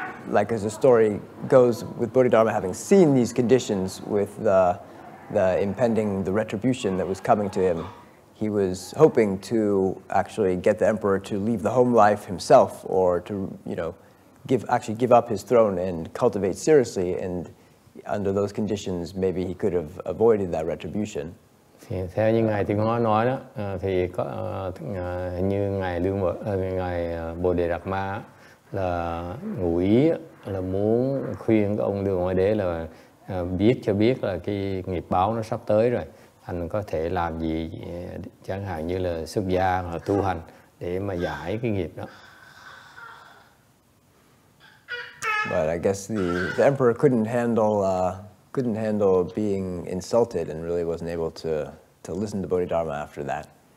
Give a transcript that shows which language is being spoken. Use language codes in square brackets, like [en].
[en] like as the story goes, with Bodhidharma having seen these conditions with the impending the retribution that was coming to him, he was hoping to actually get the emperor to leave the home life himself, or to, you know, give up his throne and cultivate seriously. And under those conditions, maybe he could have avoided that retribution. [vi] Thì theo như ngài Thiên Hóa nói đó, thì có như ngài Lưu Mộ, ngài Bồ Đề Đạt Ma là ngụ ý là muốn khuyên cái ông Lưu Ngoại Đế là biết cho biết là cái nghiệp báo nó sắp tới rồi, anh có thể làm gì, chẳng hạn như là xuất gia hoặc tu hành để mà giải cái nghiệp đó. [en] But I guess the emperor couldn't handle being insulted and really wasn't able to listen to Bodhidharma after that.